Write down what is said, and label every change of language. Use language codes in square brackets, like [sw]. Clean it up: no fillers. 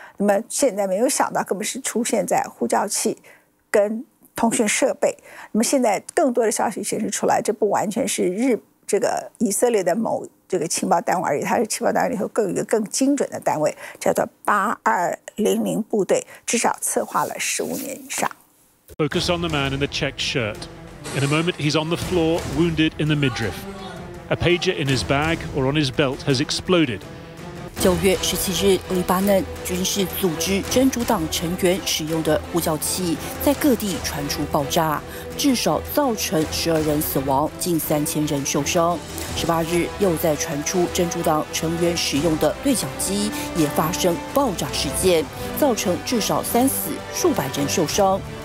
[zh] 那么现在没有想到根本是出现在呼叫器跟通讯设备。那么现在更多的消息显示出来，这不完全是这个以色列的某这个情报单位而已，它是情报单位里头更有一个更精准的单位，叫做8200部队，至少策划了15年以上。 [en] Focus on the man in the checked shirt. In a moment, he's on the floor, wounded in the midriff. A pager in his bag or on his belt has exploded. [zh] 9月17日，黎巴嫩军事组织真主党成员使用的呼叫器在各地传出爆炸，至少造成12人死亡，近3000人受伤。 18日又再传出真主党成员使用的对讲机也发生爆炸事件，造成至少3死，数百人受伤。